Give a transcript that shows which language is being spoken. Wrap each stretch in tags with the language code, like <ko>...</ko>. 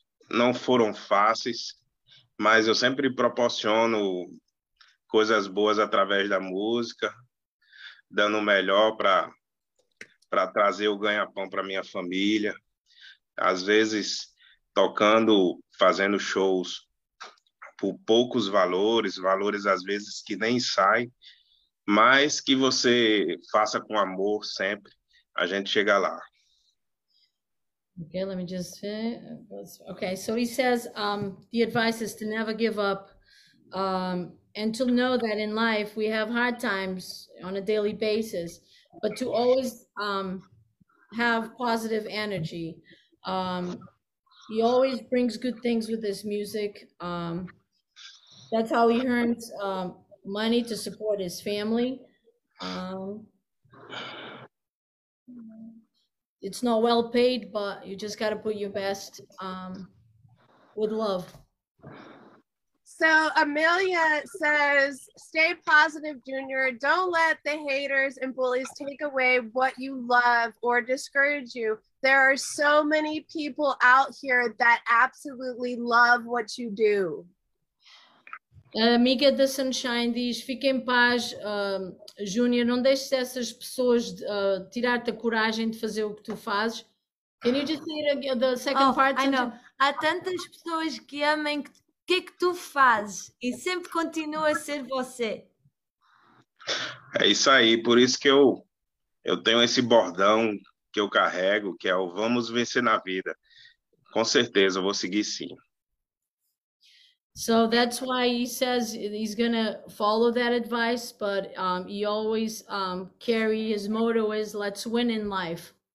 <pt>Não foram fáceis, mas eu sempre proporciono coisas boas através da música, dando o melhor para trazer o ganha-pão para minha família. Às vezes, tocando, fazendo shows por poucos valores, valores às vezes que nem saem, mas que você faça com amor sempre, a gente chega lá.</pt> <en>Okay, let me just okay, so he says the advice is to never give up and to know that in life we have hard times on a daily basis, but to always have positive energy. He always brings good things with his music. That's how he earns money to support his family. It's not well paid, but you just got to put your best with love. So Amelia says, stay positive, Junior. Don't let the haters and bullies take away what you love or discourage you. There are so many people out here that absolutely love what you do.</en> <pt>A amiga da Sunshine diz: fique em paz, Júnior, não deixes essas pessoas tirar-te a coragem de fazer o que tu fazes.</pt> <en>Can you just say it again, the second Oh, part, I know. Sunshine?</en> <pt>Há tantas pessoas que amam o que é que tu fazes e sempre continua a ser você. É isso aí, por isso que eu tenho esse bordão que eu carrego, que é o vamos vencer na vida. Com certeza, eu vou seguir sim.</pt> <en>So that's why he says he's gonna follow that advice, but he always carry his motto is let's win in life.</en>